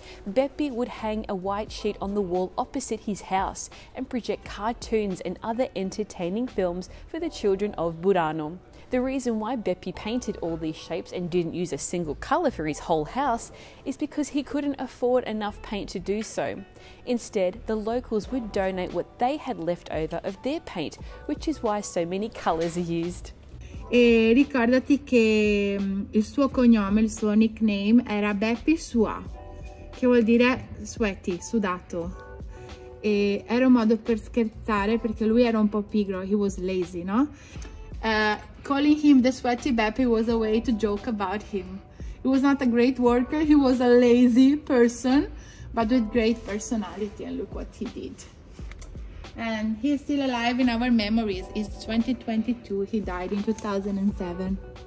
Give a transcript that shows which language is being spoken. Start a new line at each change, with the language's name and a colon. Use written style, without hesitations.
English: Bepi would hang a white sheet on the wall opposite his house and project cartoons and other entertaining films for the children of Burano. The reason why Bepi painted all these shapes and didn't use a single colour for his whole house is because he couldn't afford enough paint to do so. Instead, the locals would donate what they had left over of their paint, which is why so many colours are used.
Italian: E ricordati che il suo cognome, il suo nickname era Bepi Sua, che vuol dire sweaty, sudato. E era un modo per scherzare perché lui era un po' pigro,
English: he was lazy,
Italian: no?
English: Calling him the sweaty Bepi was a way to joke about him. He was not a great worker, he was a lazy person, but with great personality, and look what he did. And he's still alive in our memories. It's 2022, he died in 2007.